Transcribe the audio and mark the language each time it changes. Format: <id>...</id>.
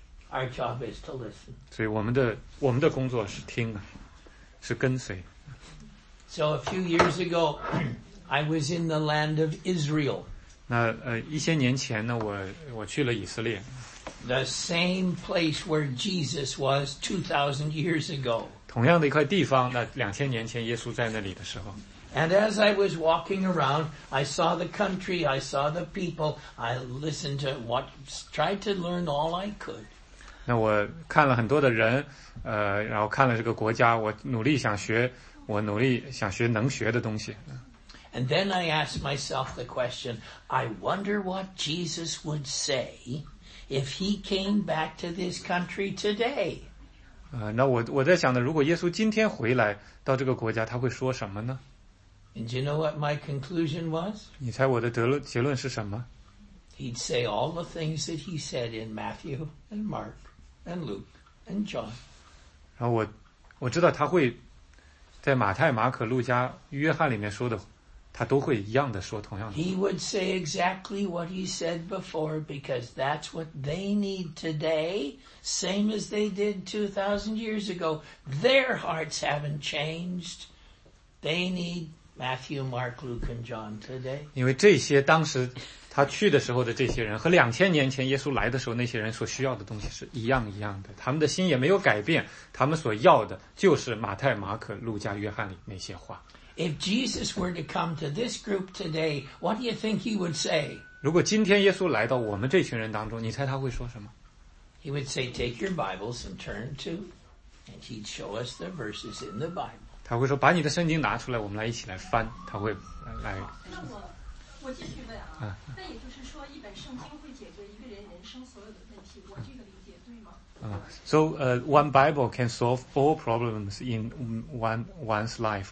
<en>Our job is to listen.</en> <zh>所以我们的工作是听，是跟随。</zh> <en>So a few years ago, I was in the land of Israel.</en> <zh>那一些年前呢，我去了以色列。</zh> <en>The same place where Jesus was 2,000 years ago.</en> <zh>同样的一块地方，那2000年前耶稣在那里的时候。</zh> <en>And as I was walking around, I saw the country, I saw the people, I listened to what, tried to learn all I could.</en> <zh>那我看了很多的人，然后看了这个国家，我努力想学能学的东西。</zh> <en>And then I asked myself the question, I wonder what Jesus would say if he came back to this country today.</en> <zh>那我在想的，如果耶稣今天回来到这个国家，他会说什么呢？</zh> <en>And you know what my conclusion was?</en> <zh>你猜我的结论是什么？</zh> <en>He'd say all the things that he said in Matthew and Mark and Luke and John.</en> <zh>然后我知道他会在马太、马可、路加、约翰里面说的，他都会一样的说同样的。</zh> <en>He would say exactly what he said before because that's what they need today, same as they did 2,000 years ago. Their hearts haven't changed. They need Matthew, Mark, Luke, and John today.</en> <zh>因为这些当时他去的时候的这些人和两千年前耶稣来的时候那些人所需要的东西是一样一样的，他们的心也没有改变，他们所要的就是马太、马可、路加、约翰里那些话。</zh> <en>If Jesus were to come to this group today, what do you think he would say?</en> <zh>如果今天耶稣来到我们这群人当中，你猜他会说什么？</zh> <en>He would say, "Take your Bibles and turn to," and he'd show us the verses in the Bible.</en> <zh>他会说，把你的圣经拿出来，我们来一起来翻。他会来。我继续问啊，那也就是说一本圣经会解决一个人人生所有的问题，我这个理解对吗？</zh> <en>So one Bible can solve all problems in one's life.</en>